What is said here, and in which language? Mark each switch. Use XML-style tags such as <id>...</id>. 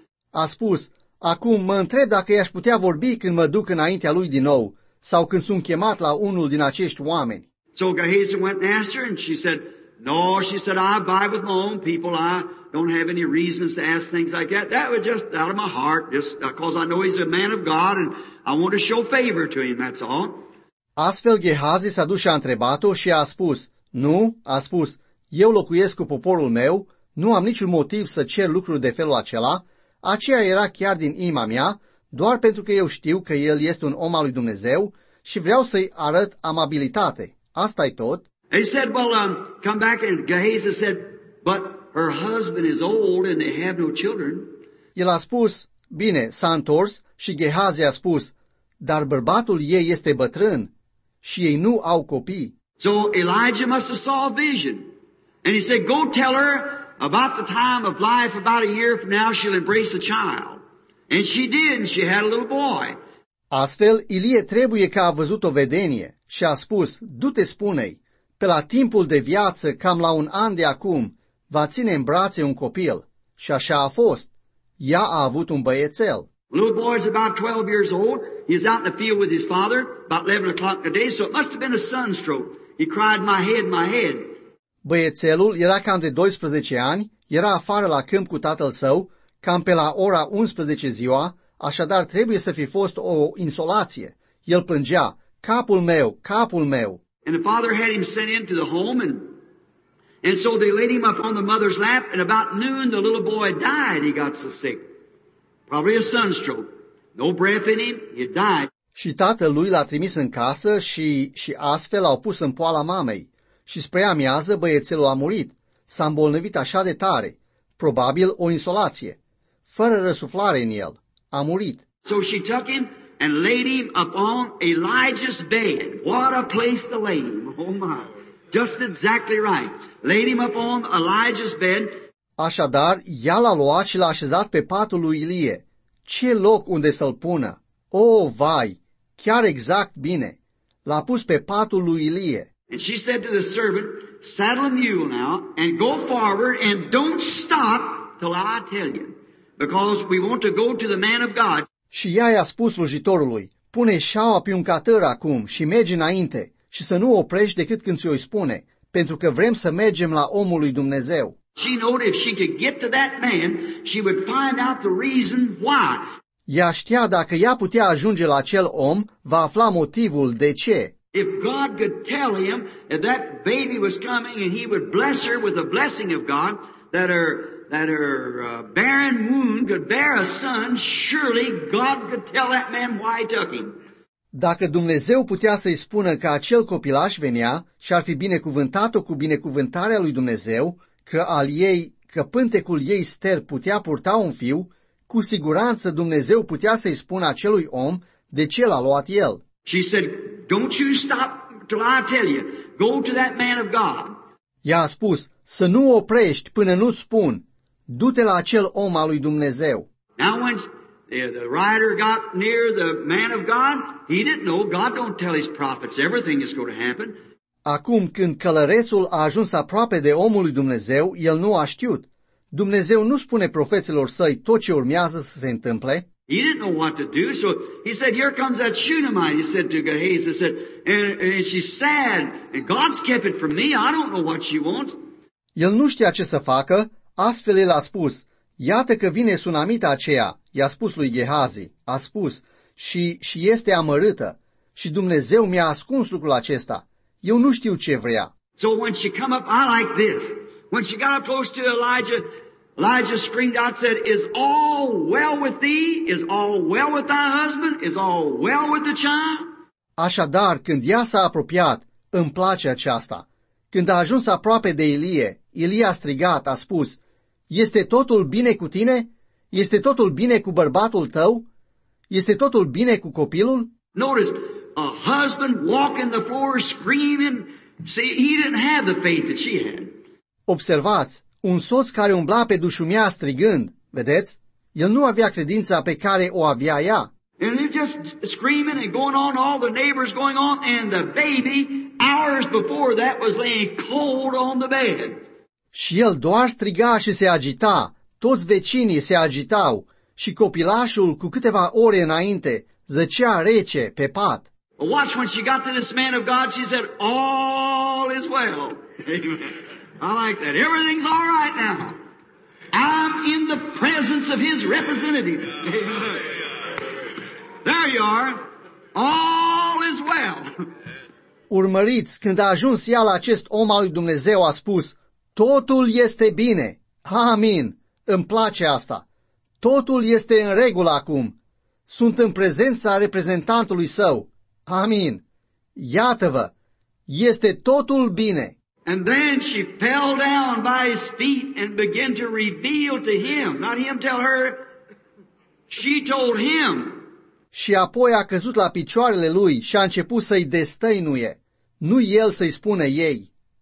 <ro>A spus, acum mă întreb dacă i-aș putea vorbi când mă duc înaintea lui din nou sau când sunt chemat la unul din acești oameni.</ro> <en>So Gehazi went and asked her and she said, no, she said, I abide with my own people. I don't have any reasons to ask things like that. That was just out of my heart, just because I know he's a man of God and I want to show favor to him, that's all.</en> <ro>Astfel Gehazi s-a dus și a întrebat-o și a spus, nu, a spus, eu locuiesc cu poporul meu, nu am niciun motiv să cer lucruri de felul acela, aceea era chiar din inima mea, doar pentru că eu știu că el este un om al lui Dumnezeu și vreau să-i arăt amabilitate. Asta e tot.</ro> <en>He said, well, come back, and Gehazi said, but her husband is old and they have no children.</en> <ro>El a spus, bine, s-a întors și Gehazi a spus, dar bărbatul ei este bătrân și ei nu au copii.</ro> <en>So Elijah must have saw a vision. And he said, go tell her about the time of life, about a year from now she'll embrace a child. And she did, and she had a little boy.</en> <ro>Astfel, Ilie trebuie că a văzut o vedenie și a spus, du-te spune-i. Pe la timpul de viață, cam la un an de acum, va ține în brațe un copil. Și așa a fost. ea a avut un băiețel.</ro> <en>Little boy is about 12 years old. He is out in the field with his father about 11 o'clock today, so it must have been a sunstroke. He cried, "My head, my head."</en> <ro>Băiețelul era cam de 12 ani, era afară la câmp cu tatăl său, cam pe la ora 11 ziua, așadar trebuie să fi fost o insolație. El plângea, "Capul meu, capul meu."</ro> <en>And the father had him sent into the home, and so they laid him up on the mother's lap, and about noon the little boy died. He got so sick. Probably a sunstroke. No breath in him, he died.</en> <ro>Și tatăl lui l-a trimis în casă și astfel l-au pus în poala mamei. Și spre amiază băiețelul a murit. S-a îmbolnăvit așa de tare. Probabil o insolație. Fără răsuflare în el. A murit.</ro> <en>So she took him and laid him upon Elijah's bed. What a place to lay him. Oh my. Just exactly right. Laid him upon Elijah's bed.</en> <ro>Așadar, ea l-a luat și l-a așezat pe patul lui Ilie. Ce loc unde să-l pună? Oh, vai! Chiar exact bine! L-a pus pe patul lui Ilie.</ro> <en>And she said to the servant, "Saddle a mule now and go forward and don't stop till I tell you, because we want to go to the man of God."</en> <ro>Și ea i-a spus slujitorului, "Pune șaua pe un catâr acum și mergi înainte și să nu oprești decât când ți-o spune, pentru că vrem să mergem la omul lui Dumnezeu."</ro> <en>She knew if she could get to that man, she would find out the reason why.</en> <ro>Ea știa dacă ea putea ajunge la acel om, va afla motivul de ce.</ro> <en>If God could tell him that that baby was coming and he would bless her with the blessing of God, that her barren womb could bear a son, surely God could tell that man why he took him.</en> <ro>Dacă Dumnezeu putea să-i spună că acel copilaș venea și ar fi binecuvântat-o cu binecuvântarea lui Dumnezeu, că al ei, că pântecul ei ster putea purta un fiu, cu siguranță Dumnezeu putea să-i spună acelui om de ce l-a luat el.</ro> <en>She said, "Don't you stop till I tell you. Go to that man of God."</en> <ro>Ea a spus, "Să nu oprești până nu-ți spun. Du-te la acel om al lui Dumnezeu."</ro> <en>Now when the rider got near the man of God, he didn't know. God don't tell his prophets everything is going to happen.</en> <ro>Acum, când călărețul a ajuns aproape de omul lui Dumnezeu, el nu a știut. Dumnezeu nu spune profeților săi tot ce urmează să se întâmple.</ro> <en>He didn't know what to do, so he said, "Here comes that Shunammite," he said to Gehazi. He said, and she's sad, and God's kept it from me, I don't know what she wants.</en> <ro>El nu știa ce să facă, astfel el a spus, "Iată că vine sunamita aceea," i-a spus lui Gehazi, a spus, și este amărâtă, și Dumnezeu mi-a ascuns lucrul acesta. Eu nu știu ce vrea.</ro> <en>So when she come up, I like this. When she got up close to Elijah, Elijah screamed out, said, "Is all well with thee? Is all well with thy husband? Is all well with the child?"</en> <ro>Așadar, când ea s-a apropiat, îmi place aceasta. Când a ajuns aproape de Ilie, Ilie a strigat, a spus, "Este totul bine cu tine? Este totul bine cu bărbatul tău? Este totul bine cu copilul?"</ro> <en>Notice, a husband walking the floor screaming. See, he didn't have the faith that she had.</en> <ro>Observați, un soț care umbla pe dușumea strigând, vedeți? El nu avea credința pe care o avea ea.</ro> <en>And he just screaming and going on, all the neighbors going on, and the baby, hours before that, was laying cold on the bed.</en> <ro>Și el doar striga și se agita, toți vecinii se agitau, și copilașul, cu câteva ore înainte, zăcea rece pe pat.</ro> <en>Watch when she got to this man of God, she said, "All is well." Amen. I like that. Everything's all right now. I'm in the presence of his representative. Amen. There you are. All is well.</en> <ro>Urmăriți, când a ajuns ea la acest om al lui Dumnezeu, a spus, "Totul este bine." Amin. Îmi place asta. Totul este în regulă acum. Sunt în prezența reprezentantului său. Amin. Iată-vă, este totul bine.</ro> <en>And then she fell down by his feet and began to reveal to him, not him tell her, she told him.</en> <ro>Și apoi a căzut la picioarele lui și a început să-i destăinuie, nu el să-i spună ei.</ro>